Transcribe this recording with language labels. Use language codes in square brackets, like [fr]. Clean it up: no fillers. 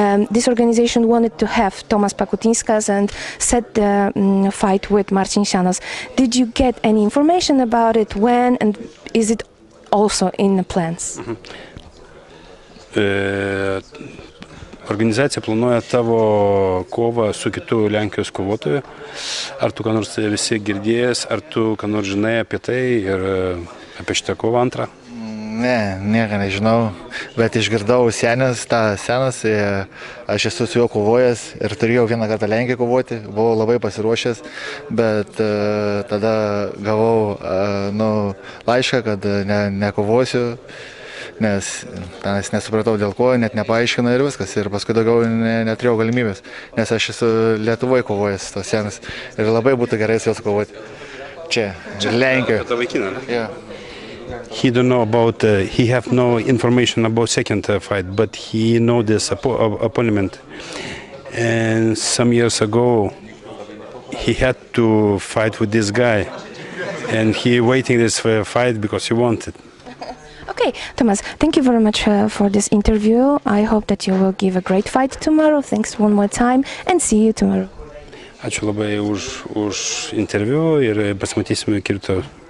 [en] This organization wanted to have Tomasz Pakutinskas and set the fight with Marcin Sianos. Did you get any information about it? When and is it also in the plans? Mm-hmm. [lt] Organizacija planuoja tavo kovą su kitu Lenkijos kovotoju. Ar tu ką nors visi girdėjęs, ar tu ką nors žinai apie tai ir apie šitą kovą antrą? Ne, nieko nežinau, bet išgirdau senas, tą senas, aš esu su juo kovojęs ir turėjau vieną kartą Lenkiją kovoti, buvau labai pasiruošęs, bet tada gavau laišką, kad nekovosiu. Nes ten aš nesupratau dėl ko, net nepaaiškino ir viskas. Ir paskui daugiau neturėjau galimybės, nes aš esu Lietuvoje kovojęs tos senas. Ir labai būtų gerai su juos kovoti. Čia Lenkijoje. Čia, ta vaikina, ne? Jo. [en] He don't know about, he have no information about second fight, but he know this opponent. And some years ago, he had to fight with this guy. And he waiting this fight because he wanted. Okay, Tomasz, thank you very much for this interview. I hope that you will give a great fight tomorrow. Thanks one more time and see you tomorrow. [lt] Ačiū labai už interviu ir pasimatysime kito.